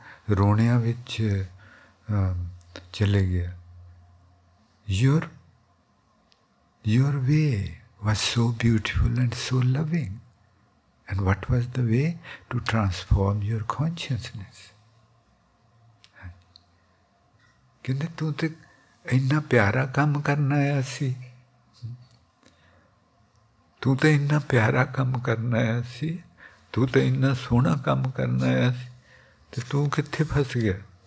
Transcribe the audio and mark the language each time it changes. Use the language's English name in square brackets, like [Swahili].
[Punjabi] ਰੋਣਿਆਂ ਵਿੱਚ ਚਲੇ ਗਿਆ [English] Your way was so beautiful and so loving. And what was the way? To transform your consciousness. [Punjabi] ਕਹਿੰਦੇ ਤੂੰ ਤਾਂ ਇੰਨਾ ਪਿਆਰਾ ਕੰਮ ਕਰਨ ਆਇਆ ਸੀ, ਤੂੰ ਤਾਂ ਇੰਨਾ ਪਿਆਰਾ ਕੰਮ ਕਰਨ ਆਇਆ ਸੀ, ਤੂੰ ਤਾਂ ਇੰਨਾ ਸੋਹਣਾ ਕੰਮ ਕਰਨ ਆਇਆ ਸੀ, ਅਤੇ ਤੂੰ ਕਿੱਥੇ ਫਸ ਗਿਆ?